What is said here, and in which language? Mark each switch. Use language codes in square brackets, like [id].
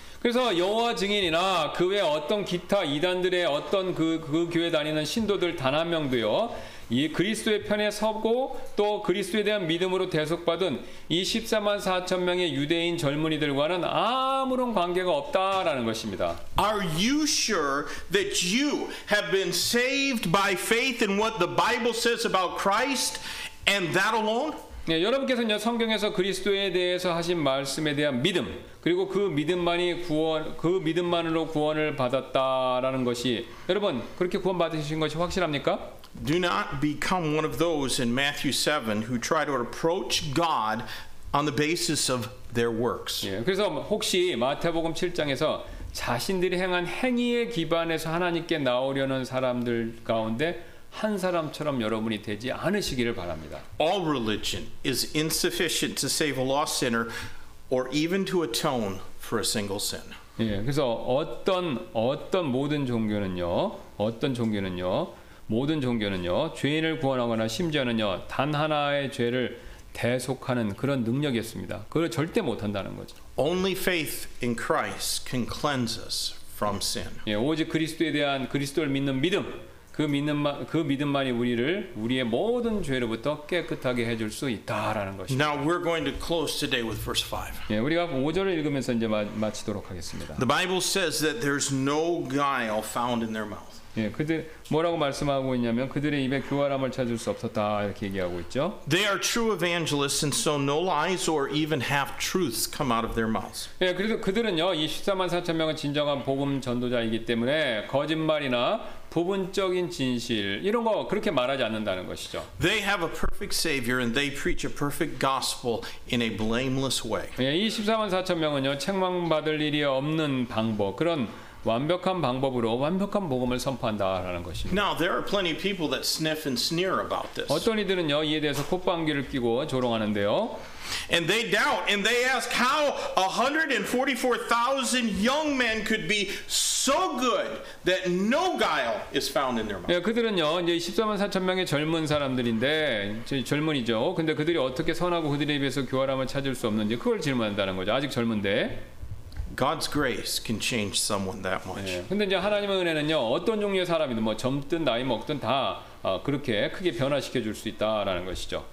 [ko] 그래서 여호와 증인이나 그 외 어떤 기타 이단들의 어떤 그 교회 다니는 신도들 단 한 명도요. 이 그리스도의 편에 서고 또 그리스도에 대한 믿음으로 대속받은 이 14만 4천 명의 유대인 젊은이들과는 아무런 관계가 없다라는 것입니다. [en] Are you sure that you have been saved by faith in what the Bible says about Christ and that alone? [ko] 예, 여러분께서는요 성경에서 그리스도에 대해서 하신 말씀에 대한 믿음 그리고 그 믿음만으로 구원을 받았다라는 것이 여러분 그렇게 구원 받으신 것이 확실합니까? [en] Do not become one of those in Matthew 7 who try to approach God on the basis of their works. [ko] 예, 그래서 혹시 마태복음 7장에서 자신들이 행한 행위에 기반해서 하나님께 나오려는 사람들 가운데 한 사람처럼 여러분이 되지 않으시기를 바랍니다. [en] All religion is insufficient to save a lost sinner or even to atone for a single sin. [ko] 예, 그래서 어떤 모든 종교는요. 어떤 종교는요. 모든 종교는요 죄인을 구원하거나 심지어는요 단 하나의 죄를 대속하는 그런 능력이었습니다. 그걸 절대 못한다는 거죠. [en] Only faith in Christ can cleanse us from sin. [ko] 예, 오직 그리스도에 대한 그리스도를 믿는 믿음, 그 믿음만이 우리를 우리의 모든 죄로부터 깨끗하게 해줄 수 있다라는 것입니다. [en] Now we're going to close today with verse 5. [ko] 예, 우리가 5절을 읽으면서 이제 마치도록 하겠습니다. [en] The Bible says that there's no guile found in their mouth. [ko] 예, 그들 뭐라고 말씀하고 있냐면 그들의 입에 교활함을 찾을 수 없었다 이렇게 얘기하고 있죠. [en] They are true evangelists, and so no lies or even half truths come out of their mouths. [ko] 예, 그래서 그들은요, 이 14만 4천 명은 진정한 복음 전도자이기 때문에 거짓말이나 부분적인 진실 이런 거 그렇게 말하지 않는다는 것이죠. [en] They have a perfect Savior, and they preach a perfect gospel in a blameless way. [ko] 예, 이 14만 4천 명은요, 책망받을 일이 없는 방법 그런 완벽한 방법으로 완벽한 복음을 선포한다라는 것입니다. [en] Now there are plenty of people that sniff and sneer about this. [ko] 어떤 이들은요 이에 대해서 콧방귀를 끼고 조롱하는데요. [en] And they doubt and they ask how 144,000 young men could be so good that no guile is found in their mouth. [ko] 예, 그들은요 이제 14만 4천 명의 젊은 사람들인데 젊은이죠. 근데 그들이 어떻게 선하고 그들의 입에서 교활함을 찾을 수 없는지 그걸 질문한다는 거죠. 아직 젊은데. [en] God's grace can change someone that much. 예, [ko] 근데 이제 하나님의 은혜는요 어떤 종류의 사람이든 뭐 젊든 나이 먹든 다 그렇게 크게 변화시켜 줄 수 있다라는 것이죠.